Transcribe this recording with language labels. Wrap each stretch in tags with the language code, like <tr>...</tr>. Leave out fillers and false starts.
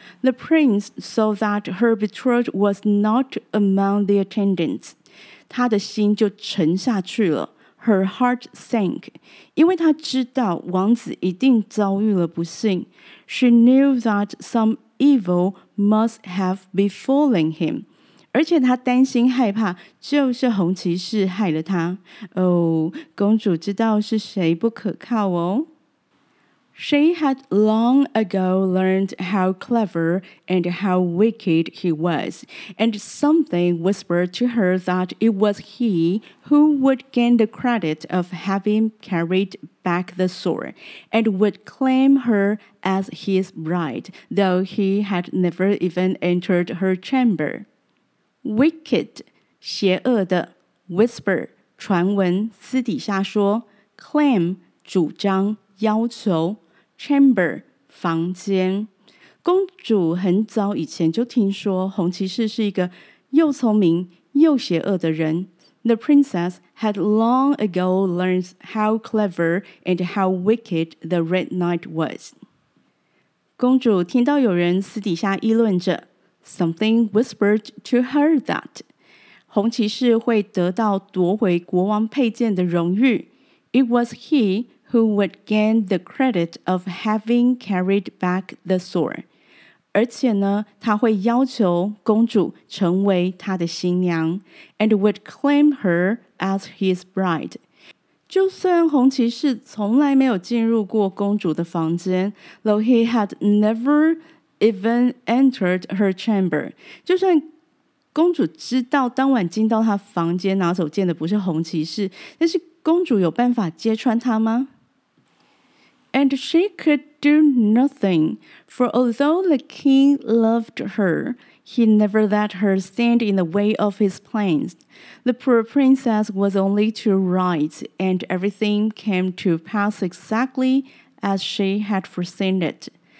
<en>，The prince saw that her betrothed was not among the attendants.</en> <zh>她的心就沉下去了。</zh> <en>Her heart sank,</en> <zh>因为她知道王子一定遭遇了不幸。</zh> <en>She knew that some evil must have befallen him.</en> <zh>而且她担心害怕就是红骑士害了她。 Oh, 公主知道是谁不可靠哦。</zh> <en>She had long ago learned how clever and how wicked he was, and something whispered to her that it was he who would gain the credit of having carried back the sword, and would claim her as his bride, though he had never even entered her chamber.</en> <zh>Wicked, 邪恶的, whisper, 传闻,私底下说, claim, 主张,要求。 Chamber, 房间。公主很早以前就听说红骑士是一个又聪明又邪恶的人。</zh> <en>The princess had long ago learned how clever and how wicked the Red Knight was.</en> <zh>公主听到有人私底下议论着</zh> <en>Something whispered to her that</en> <zh>红骑士会得到夺回国王佩剑的荣誉。</zh> <en>It was he,who would gain the credit of having carried back the sword.</en> <zh>而且呢，他会要求公主成为他的新娘</zh> <en>and would claim her as his bride.</en> <zh>就算红骑士从来没有进入过公主的房间</zh> <en>though he had never even entered her chamber.</en> <zh>就算公主知道当晚进到他房间拿走剑的不是红骑士，但是公主有办法揭穿他吗？</zh> <en>And she could do nothing, for although the king loved her, he never let her stand in the way of his plans. The poor princess was only to write, and everything came to pass exactly as she had foreseen it.</en>